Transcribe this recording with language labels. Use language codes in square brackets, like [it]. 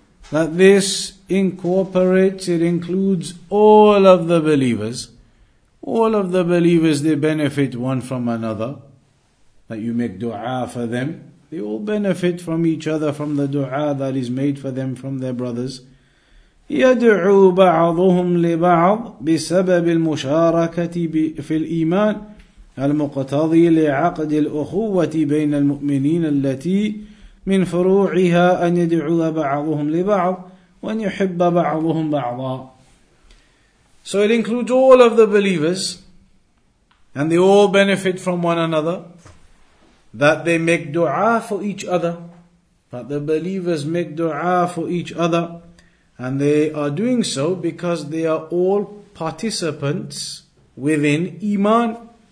[en] That this incorporates, it includes all of the believers. All of the believers, they benefit one from another. That you make dua for them. They all benefit from each other, from the dua that is made for them from their brothers. [ar] يدعو بعضهم لبعض بسبب المشاركة في الإيمان المقتضي لعقد الأخوة بين المؤمنين التي من فروعها أن يدعو بعضهم لبعض وأن يحب بعضهم بعضا. [en] So it includes all of the believers, and they all benefit from one another, that they make dua for each other, that the believers make dua for each other. And they are doing so because they are all participants within Iman.